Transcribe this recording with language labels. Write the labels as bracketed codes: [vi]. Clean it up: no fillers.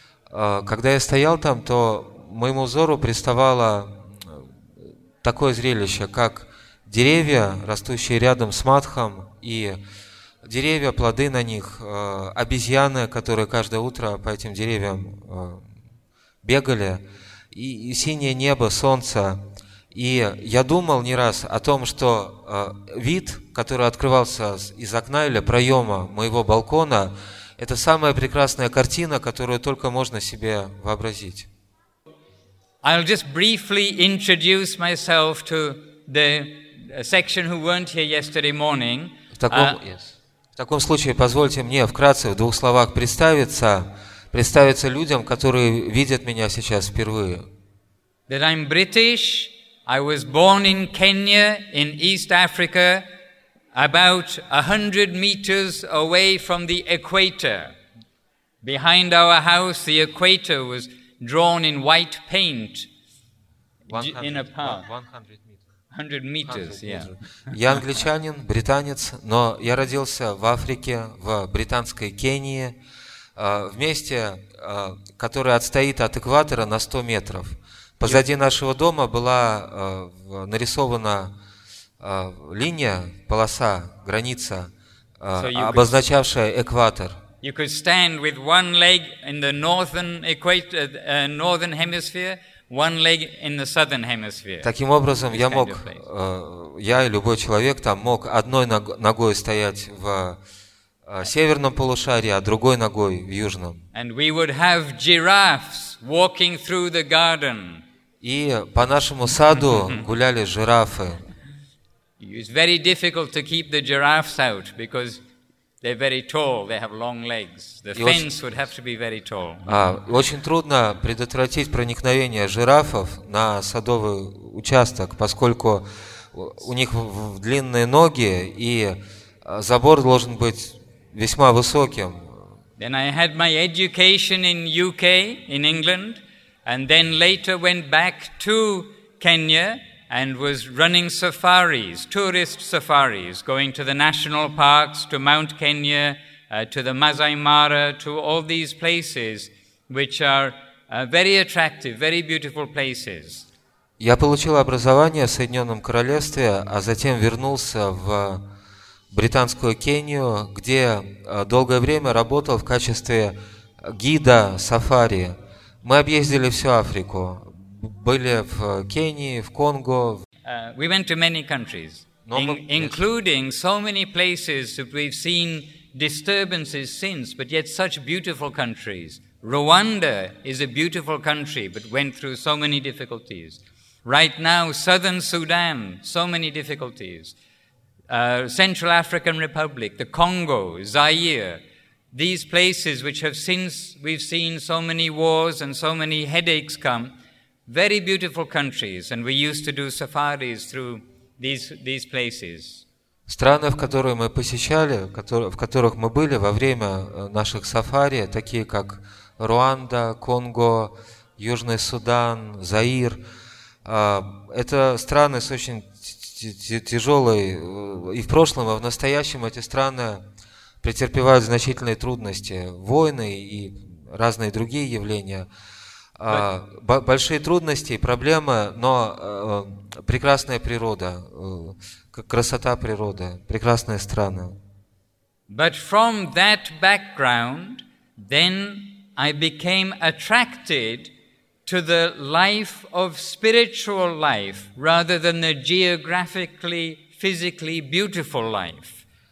[ru] Когда я стоял там, то моему взору приставало такое зрелище, как деревья, растущие рядом с матхом, и деревья, плоды на них, обезьяны, которые каждое утро по этим деревьям бегали, и синее небо, солнце. И я думал не раз о том, что вид, который открывался из окна или проема моего балкона, это самая прекрасная картина, которую только можно себе вообразить. [en] I'll just briefly introduce myself to the section who weren't here yesterday morning. [ru] В таком случае позвольте мне вкратце в двух словах представиться людям, которые видят меня сейчас впервые. [en] That I'm British. I was born in Kenya in East Africa, about 100 meters away from the equator. Behind our house, the equator was drawn in white paint in a park. 100 meters, [ru] yeah. Я англичанин, британец, но я родился в Африке, в британской Кении, в месте, которое отстоит от экватора на 100 метров. Позади нашего дома была нарисована линия, полоса, граница, обозначавшая экватор. [en] You could stand with one leg in the northern equator, northern hemisphere, one leg in the southern hemisphere. [ru] Таким образом, я мог, я и любой человек там мог одной ногой стоять в северном полушарии, а другой ногой в южном. [en] And we would have giraffes walking through the garden. [ru] И по нашему саду гуляли жирафы. [en] It's very difficult to keep the giraffes out because they're very tall, they have long legs. The fence would have to be very tall. [ru] Очень трудно предотвратить проникновение жирафов на садовый участок, поскольку у них длинные ноги, и забор должен быть весьма высоким. [en] Then I had my education in UK, in England, and then later went back to Kenya and was running safaris, tourist safaris, going to the national parks, to Mount Kenya, to the Masai Mara, to all these places, which are very attractive, very beautiful places. [ru] Я получил образование в Соединенном Королевстве, а затем вернулся в Британскую Кению, где долгое время работал в качестве гида сафари. Мы объездили всю Африку. Были в Кении, в Конго. [en] We went to many countries, including so many places that we've seen disturbances since, but yet such beautiful countries. Rwanda is a beautiful country, but went through so many difficulties. Right now, southern Sudan, so many difficulties. Central African Republic, the Congo, Zaire, these places which have since we've seen so many wars and so many headaches come, very beautiful countries, and we used to do safaris through these places. [ru] Страны, в которые мы посещали, в которых мы были во время наших сафари, такие как Руанда, Конго, Южный Судан, Заир, это страны с очень тяжелой, и в прошлом, и в настоящем эти страны претерпевают значительные трудности, войны и разные другие явления, большие трудности и проблемы, но прекрасная природа, красота природы, прекрасные страны. [en] But from that background, then I became attracted to the life of spiritual life rather than the geographically, physically beautiful life.